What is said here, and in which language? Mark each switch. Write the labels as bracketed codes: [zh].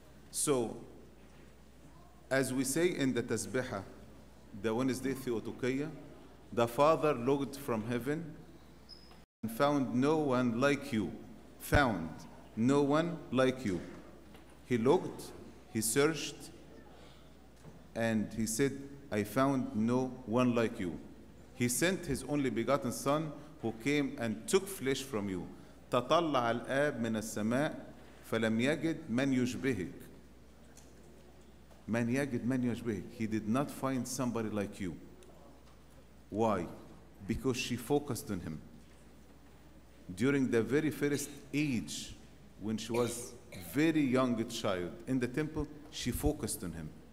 [en] So, as we say in the Tasbihah, the Wednesday Theotokia, the Father looked from heaven and found no one like you. Found no one like you. He looked, He searched, and He said, I found no one like you. He sent His only begotten Son, who came and took flesh from you. [ar] تطلع الآب من السماء فلم يجد من يشبهك. من يجد من يشبهك. [en] He did not find somebody like you. Why? Because she focused on Him. During the very first age, when she was very young child in the temple, she focused on Him.